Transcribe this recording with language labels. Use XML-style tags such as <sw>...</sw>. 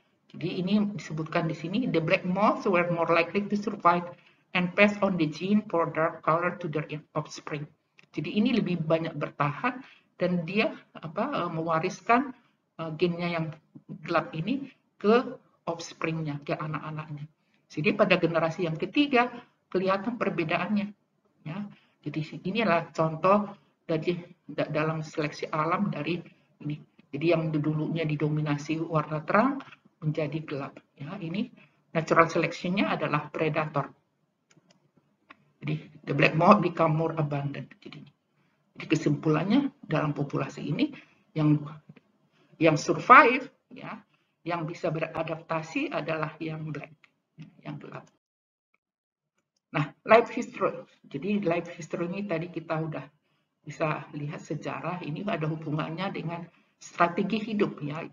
<id>Jadi ini disebutkan di sini</id> <en>the black moths were more likely to survive and pass on the gene for dark color to their offspring.</en> <id>Jadi ini lebih banyak bertahan dan dia apa mewariskan gennya yang gelap ini ke offspringnya, ke anak-anaknya. Jadi pada generasi yang ketiga kelihatan perbedaannya, ya. Jadi inilah contoh dari dalam seleksi alam dari ini. Jadi yang dulunya didominasi warna terang menjadi gelap, ya. Ini natural selection-nya adalah predator.</id> <en>Jadi the black moth become more abundant.</en> <id>Jadi kesimpulannya dalam populasi ini yang survive, ya, yang bisa beradaptasi adalah yang black, yang gelap. Nah, life history. Jadi life history ini tadi kita sudah bisa lihat sejarah ini ada hubungannya dengan strategi hidup, ya.</id>